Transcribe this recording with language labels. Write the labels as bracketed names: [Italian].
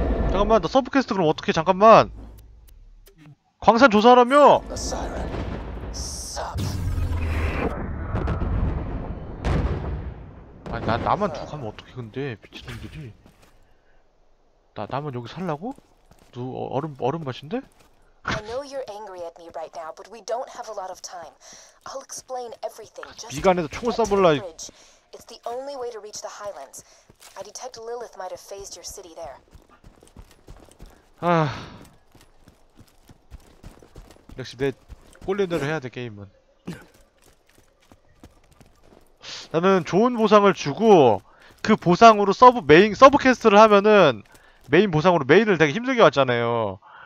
[Korean] 잠깐만, 나 서브 퀘스트 그럼 어떻게? 잠깐만. 광산 조사하라며. 아니 나 나만 두고 가면 어떻게 근데 미친놈들이 나 나만 여기 살라고? 누 얼음 얼음 밭인데? [English] I know you're angry at me right now, but we don't have a lot of time. I'll explain everything. Just [Korean] 미간에서 총을 쏴볼라. [English] It's the only way to reach the Highlands. I detect Lilith might have phased your city there. [Korean] 아 역시 내 꼴린 대로 해야 돼 게임은. 나는 좋은 보상을 주고 그 보상으로 서브 메인 서브 퀘스트를 하면은 메인 보상으로 메인을 되게 힘들게 왔잖아요.